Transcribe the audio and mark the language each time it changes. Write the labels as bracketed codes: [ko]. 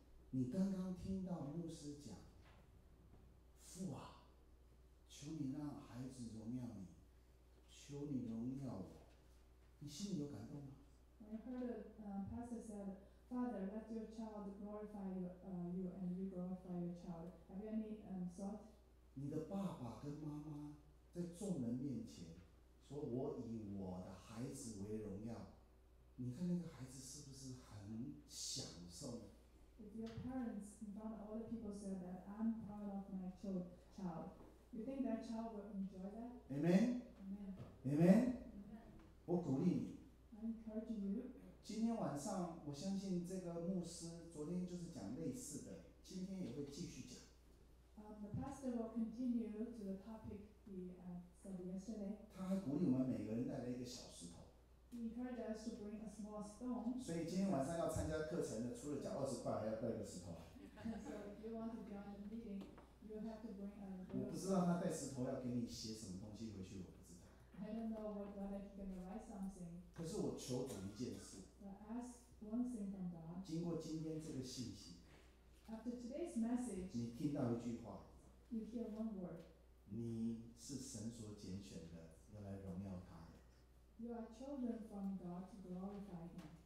[zh] 你刚刚听到牧师讲，父啊，求你让孩子荣耀你，求你荣耀我，你心里有感动吗？ [en] When I heard the pastor said, Father, let your child glorify you and you glorify your child. Have you any thought? [zh] 你的爸爸跟妈妈在众人面前说，我以我的孩子为荣耀。你看那个孩子是不是很享受？ [en] If your parents in front of all the people said that I'm proud of my child, you think that child will enjoy that? Amen. Amen. [zh] Amen. 我鼓励你。 [en] I encourage you. [zh] 今天晚上，我相信这个牧师昨天就是讲类似的，今天也会继续讲。 [en] The pastor will continue to the topic he studied yesterday. [zh] 他还鼓励我们每个人带来一个小石头。 [en] He encouraged us to bring a small stone. [zh] 所以今天晚上要参加课程的，除了缴二十块，还要带一个石头。 [en] So if you want to join the meeting, you have to bring a. [zh] 我不知道他带石头要给你写什么东西回去，我不知道。 [en] I don't know whether he's going to write something. [zh] 可是我求主一件事。 [en] But ask one thing from God. [zh] 经过今天这个信息。 [en] After today's message. [zh] 你听到一句话。 [en] You hear one word. [zh] 你是神所拣选的，要来荣耀他。 [en] You are children from God to glorify Him.